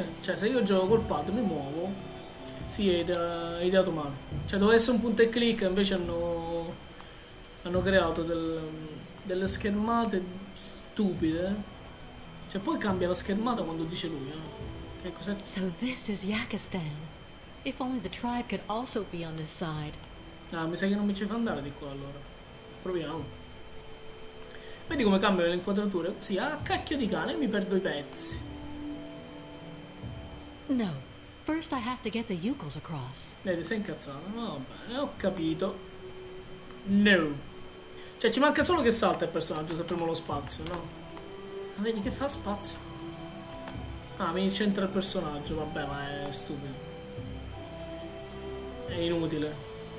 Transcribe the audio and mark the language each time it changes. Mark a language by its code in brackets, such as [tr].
[it] Cioè, se io gioco col pad mi muovo. Sì, è ideato male. Cioè, doveva essere un punto e clic, invece hanno creato delle schermate stupide. Cioè, poi cambia la schermata quando dice lui, no? Che cos'è? [en] So this is Yakistan. If only the tribe could also be on this side. [it] Ah, mi sa che non mi ci fa andare di qua allora. Proviamo. Vedi come cambiano le inquadrature? Sì, a cacchio di cane mi perdo i pezzi. No. [en] First I have to get the Yukles across. [it] Vedi, sei incazzato? Va bene, ho capito. No. Cioè, ci manca solo che salta il personaggio se apriamo lo spazio, no? Ma vedi che fa spazio? Ah, mi incentra il personaggio, vabbè, ma è stupido. È inutile.